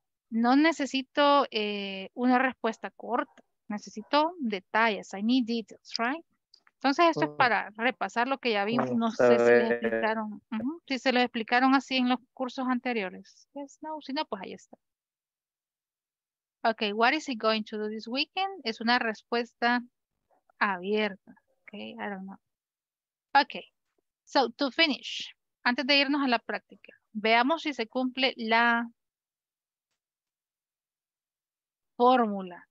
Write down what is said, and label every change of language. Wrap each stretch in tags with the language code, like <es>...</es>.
<es>No necesito una respuesta corta. Necesito detalles.</es> <en>I need details, right?</en> <es>Entonces, esto es para repasar lo que ya vimos. No sé si les explicaron. Si se lo explicaron así en los cursos anteriores. Yes, no. Si no, pues ahí está.</es> <en>Ok, what is he going to do this weekend?</en> <es>Es una respuesta abierta.</es> <en>Ok, I don't know. Ok, so to finish,</en> <es>antes de irnos a la práctica, veamos si se cumple la fórmula.</es>